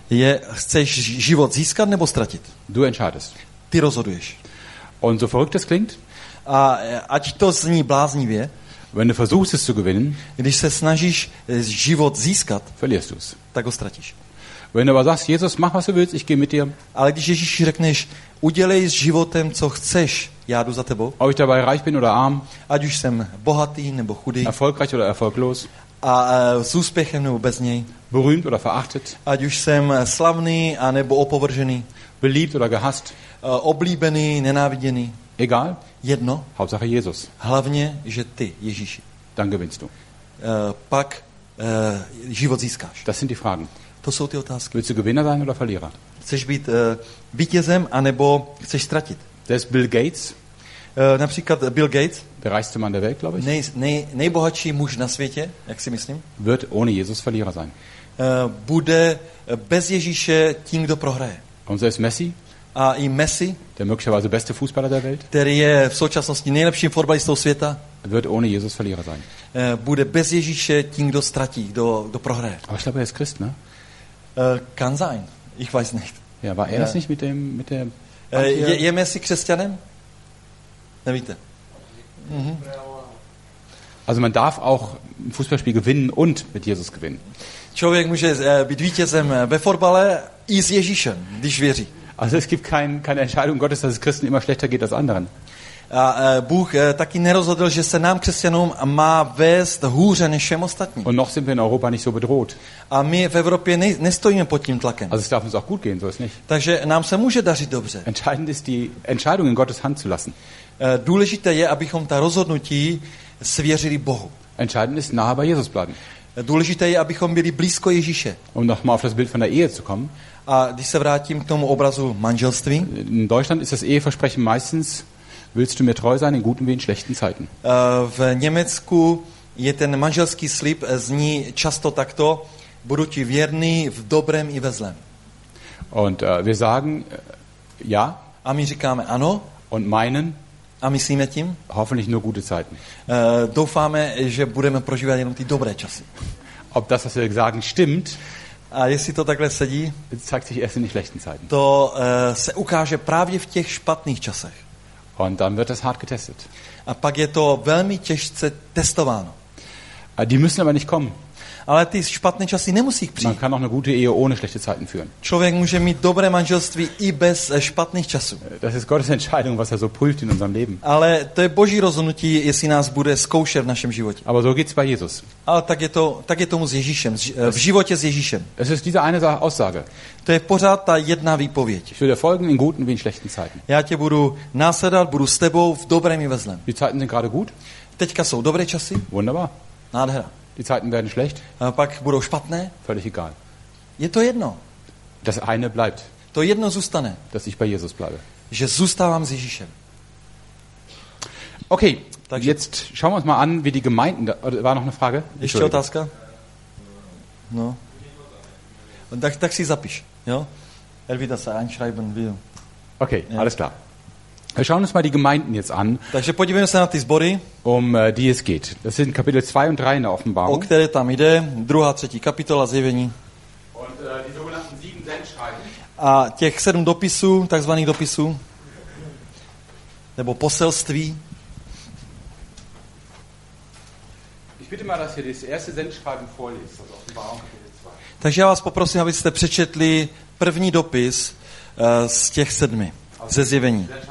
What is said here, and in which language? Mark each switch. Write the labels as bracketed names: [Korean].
[Czech] Je, chceš život získat nebo ztratit? [German] Du entscheidest. [Czech] Ty rozhoduješ. [German] Und so verrückt es klingt. [Czech] A ať to zní bláznivě. [German] Wenn du versuchst es zu gewinnen. [Czech] Když se snažíš život získat. [German] Verlierst du es. [Czech] Tak ho ztratíš. [German] Wenn du aber sagst, Jesus, mach was du willst, ich gehe mit dir. [Czech] Ale když Ježíš řekneš, udělej s životem, co chceš, já jdu za tebou. [German] Ob ich dabei reich bin oder arm. [Czech] Ať už jsem bohatý nebo chudý. [German] Erfolgreich oder erfolglos. [Czech] A s úspěchem nebo bez něj. [German] Berühmt oder verachtet. [Czech] Ať už jsem slavný a nebo opovržený. [German] Beliebt oder gehasst. [Czech] Oblíbený, nenáviděný. [German] Egal. [Czech] Jedno. [German] Hauptsache Jesus. [Czech] Hlavně, že ty, Ježíši. [German] Dann gewinnst du. [Czech] Pak život získáš. [German] Das sind die Fragen. [Czech] To jsou ty otázky. [German] Willst du Gewinner sein oder Verlierer? [Czech] Chceš být vítězem, anebo chceš ztratit? [German] Das ist Bill Gates. [Czech] Například Bill Gates. [German] Der reichste Mann der Welt, glaube ich. [Czech] Nejbohatší muž na světě, jak si myslím. [German] Wird ohne Jesus Verlierer sein. [Czech] Bude bez Ježíše tím, kdo prohraje. [German] Und selbst Messi. [Czech] A i Messi. [German] Der möglicherweise beste Fußballer der Welt. [Czech] Který je v současnosti nejlepším fotbalistou světa. [German] Wird ohne Jesus Verlierer sein. [Czech] Bude bez Ježíše tím, kdo ztratí, kdo prohraje. [German] Aber ich glaube, er ist Christ, ne? Kann sein. Ich weiß nicht. Ja, war er das nicht mit dem... Mit dem [Czech] je Messi křesťanem? Nevíte. Mhm. [German] Also man darf auch ein Fußballspiel gewinnen und mit Jesus gewinnen. [Czech] Člověk může být vítězem ve fotbale i s Ježíšem, když věří. [German] Also es gibt keine Entscheidung Gottes, dass es Christen immer schlechter geht als anderen. [Czech] A Bůh taky nerozhodl, že se nám křesťanům má vést hůře než všem ostatním. [German] Und noch sind wir in Europa nicht so bedroht. [Czech] A my v Evropě nestojíme pod tím tlakem. [German] Also es darf uns auch gut gehen, so ist nicht. [Czech] Takže nám se může dařit dobře. [German] Entscheidend ist die Entscheidung in Gottes Hand zu lassen. [Czech] Důležité je, abychom ta rozhodnutí svěřili Bohu. [German] Entscheidend ist nahe bei Jesus bleiben. [Czech] Důležité je, abychom byli blízko Ježíše. [German] Um noch mal auf das Bild von der Ehe zu kommen. [Czech] A když se vrátím k tomu obrazu manželství. [German] In Deutschland ist das Eheversprechen meistens: Willst du mir treu sein in guten wie in schlechten Zeiten? [Czech] V Německu je ten manželský slib zní často takto: Budu ti věrný v dobrém i ve zlém. [German] Und wir sagen ja. [Czech] A my říkáme ano. [German] Und meinen. [Czech] A myslíme tím. [German] Hoffentlich nur gute Zeiten. [Czech] Doufáme, že budeme prožívat jenom ty dobré časy. [German] Ob das, was wir sagen, stimmt. [Czech] A jestli to takhle sedí. [German] Zeigt sich erst in den schlechten Zeiten. [Czech] To se ukáže právě v těch špatných časech. [German] Und dann wird das hart getestet. [Czech] A pak je to velmi těžce testováno. [German] A die müssen aber nicht kommen. [Czech] Ale ty špatné časy nemusí přijít. [German] Man kann auch eine gute Ehe ohne schlechte Zeiten führen. [Czech] Člověk může mít dobré manželství i bez špatných časů. [German] Das ist Gottes Entscheidung, was er so prüft in unserem Leben. [Czech] Ale to je Boží rozhodnutí, jestli nás bude zkoušet v našem životě. [German] Aber so geht's bei Jesus. [Czech] Ale tak je tomu s Ježíšem, v životě s Ježíšem. [German] Es ist diese eine Aussage. [Czech] To je pořád ta jedna výpověď. [German] Ich werde folgen in guten wie in schlechten Zeiten. [Czech] Já tě budu následovat, budu s tebou v dobrém i ve zlém. [German] Die Zeiten sind gerade gut. [Czech] Teďka jsou dobré časy. [German] Wunderbar. [Czech] Nádhera. [German] Die Zeiten werden schlecht. [Czech] A pak budou špatné. [German] Völlig egal. [Czech] Je to jedno. [German] Das eine bleibt. [Czech] To jedno zůstane. [German] Dass ich bei Jesus bleibe. [Czech] Že zůstávám s Ježíšem. Okay, takže. [German] Jetzt schauen wir uns mal an, wie die Gemeinden... War noch eine Frage? [Czech] Ještě otázka? No. Tak si zapiš, jo? [German] Er wird das einschreiben, wie... Okay, ja. Alles klar. Wir schauen uns mal die Gemeinden jetzt an. [Czech] Takže podívejme se na ty sbory. [German] Um die es geht. Das sind Kapitel 2 und 3 in der Offenbarung. [Czech] O které tam jde, druhá, třetí kapitola Zjevení. [German] Und die sogenannten sieben Sendschreiben. [Czech] A těch sedm dopisů, takzvaných dopisů, nebo poselství. [German] Ich bitte mal, dass ihr das erste Sendschreiben vorlest, also Offenbarung Kapitel 2. [Czech] Takže já vás poprosím, abyste přečetli první dopis z těch sedmi. Ze Zjevení.